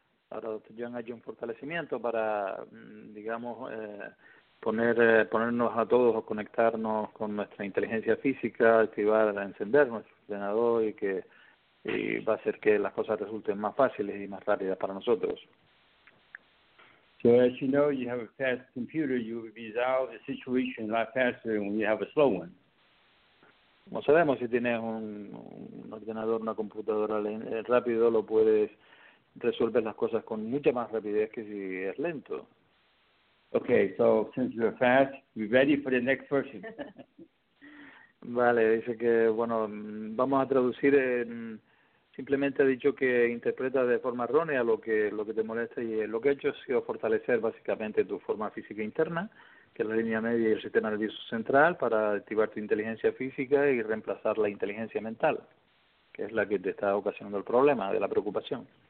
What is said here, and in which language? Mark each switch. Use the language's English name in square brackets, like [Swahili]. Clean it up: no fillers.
[Spanish] Ahora, doctor John, hay un fortalecimiento para, digamos, ponernos a todos o conectarnos con nuestra inteligencia física, activar, encender nuestro ordenador y va a hacer que las cosas resulten más fáciles y más rápidas para nosotros. [English] So as you know, you have a fast computer, you resolve the situation a lot faster than when you have a slow one. [Spanish] Como sabemos, si tienes un ordenador, una computadora rápido, lo puedes resolver las cosas con mucha más rapidez que si es lento. [English] Okay, so since you're fast, we're ready for the next person. [Spanish] Vale, dice que, bueno, vamos a traducir, simplemente ha dicho que interpreta de forma errónea lo que te molesta y lo que ha hecho ha sido fortalecer básicamente tu forma física interna, que es la línea media y el sistema nervioso central, para activar tu inteligencia física y reemplazar la inteligencia mental, que es la que te está ocasionando el problema de la preocupación.